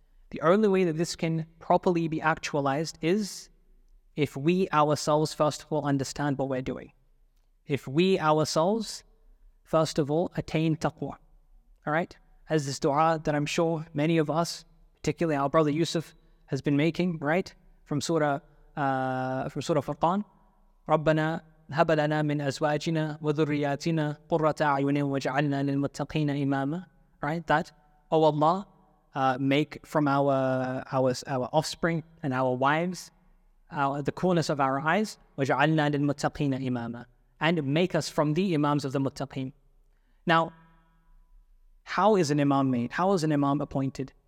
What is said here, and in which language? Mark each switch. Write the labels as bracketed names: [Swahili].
[English] The only way that this can properly be actualized is if we ourselves, first of all, understand what we're doing. If we ourselves, first of all, attain taqwa, all right? As this dua that I'm sure many of us, particularly our brother Yusuf, has been making, right? From Surah Furqan, [Arabic] رَبَّنَا هَبَ لَنَا مِنْ أَزْوَاجِنَا وَذُرِّيَاتِنَا قُرَّةَ أَعْيُنٍ وَجَعَلْنَا لِلْمُتَّقِينَ إِمَامًا. [English] Right, that, O Allah, make from our offspring and our wives the coolness of our eyes, [Arabic] وَجَعَلْنَا لِلْمُتَّقِينَ إِمَامًا, [English] and make us from the imams of the muttaqeen. Now, how is an imam made? How is an imam appointed?